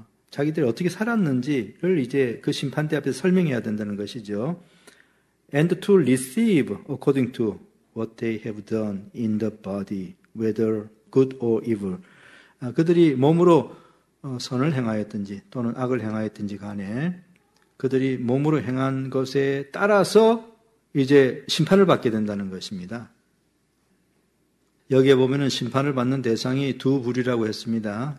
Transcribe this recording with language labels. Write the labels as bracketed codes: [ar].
[ko] 자기들이 어떻게 살았는지를 이제 그 심판대 앞에서 설명해야 된다는 것이죠. [en] And to receive according to what they have done in the body, whether good or evil. [ko] 그들이 몸으로 선을 행하였든지 또는 악을 행하였든지 간에 그들이 몸으로 행한 것에 따라서 이제 심판을 받게 된다는 것입니다. 여기에 보면은 심판을 받는 대상이 두 부류라고 했습니다.